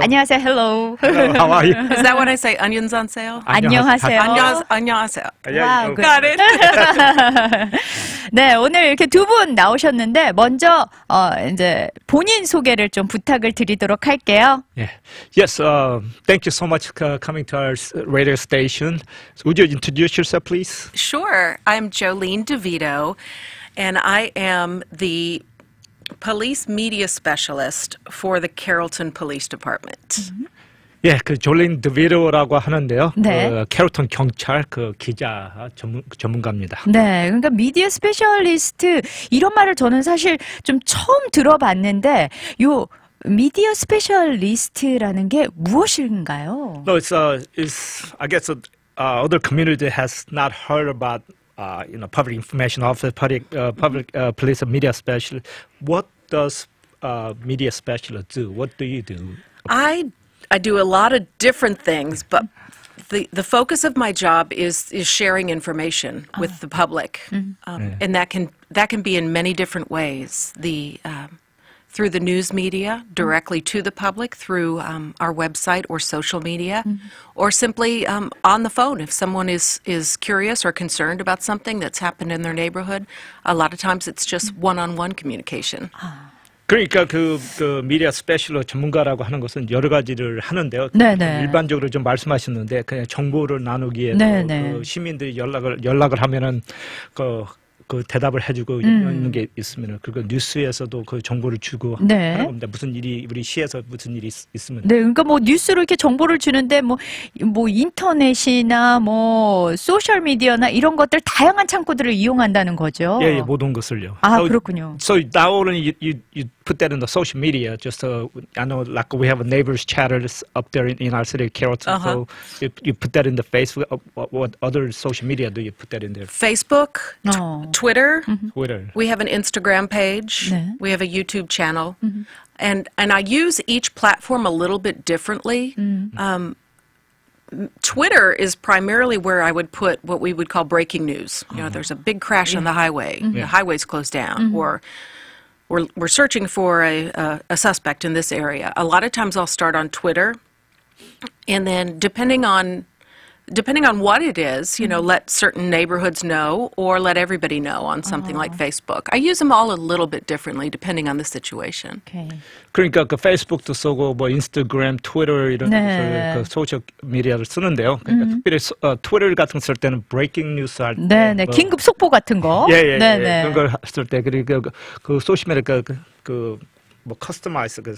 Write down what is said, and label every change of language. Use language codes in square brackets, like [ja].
[ko] 안녕하세요. [en] Hello. Hello. How are you? Is that what I say? [ko] 안녕하세요. 안녕하세요. 안녕하세요. [en] Wow, got it. [ko] 네, 오늘 이렇게 두 분 나오셨는데 먼저 이제 본인 소개를 좀 부탁을 드리도록 할게요. [en] Yeah. Yes. Thank you so much for coming to our radio station. So would you introduce yourself, please? Sure. I'm Jolene DeVito, and I am the police media specialist for the Carrollton Police Department. Mm-hmm. Yeah, [ko] 그 Jolene DeVito라고 하는데요. 네. 캐롤튼 경찰 그 기자 전문가입니다. 네, 그러니까 미디어 스페셜리스트 이런 말을 저는 사실 좀 처음 들어봤는데 요 미디어 스페셜리스트라는 게 무엇인가요? [en] No, I guess other community has not heard about public information office, police media specialist. What does media specialist do? What do you do? I do a lot of different things, but the focus of my job is sharing information with the public. And that can be in many different ways. Through the news media, directly to the public, through our website or social media, or simply on the phone. If someone is curious or concerned about something that's happened in their neighborhood, a lot of times it's just one-on-one communication. [ko] 그러니까 그 미디어 스페셜로 전문가라고 하는 것은 여러 가지를 하는데요. 네네. 일반적으로 좀 말씀하셨는데 그냥 정보를 나누기에 그 시민들이 연락을 하면은 그 대답을 해주고 있는 게 있으면은 그리고 뉴스에서도 그 정보를 주고 네. 하는 겁니다. 무슨 일이 우리 시에서 무슨 일이 있으면 네, 그러니까 뭐 뉴스로 이렇게 정보를 주는데 뭐 인터넷이나 뭐 소셜 미디어나 이런 것들 다양한 창구들을 이용한다는 거죠. 예, 예 모든 것을요. 아 so, 그렇군요. [en] So now only you put that in the social media. Just I know like we have a neighbors chatters up there in our city, Carrollton. Uh-huh. So you put that in the Facebook. What other social media do you put that in there? Facebook. No. Twitter. Mm-hmm. Twitter. We have an Instagram page. [ko] 네. [en] We have a YouTube channel. Mm-hmm. And I use each platform a little bit differently. Mm-hmm. Twitter is primarily where I would put what we would call breaking news. Uh-huh. You know, there's a big crash on the highway. Mm-hmm. The highway's closed down. Mm-hmm. Or we're searching for a suspect in this area. A lot of times I'll start on Twitter. And then depending on what it is, you know, let certain neighborhoods know or let everybody know on something like Facebook. I use them all a little bit differently depending on the situation. Okay. [ko] 그러니까 그 페이스북도 쓰고 뭐 인스타그램, 트위터 이런 네. 그 소셜 미디어를 쓰는데요. 그러니까 특별히 트위터 같은 거 쓸 때는 브레이킹 뉴스 할 때 네, 네. 뭐 긴급 속보 같은 거. 예, 예, 네, 예. 네. 그런 걸 쓸 때 그리고 그 소셜 미디어 그 뭐 커스터마이즈 그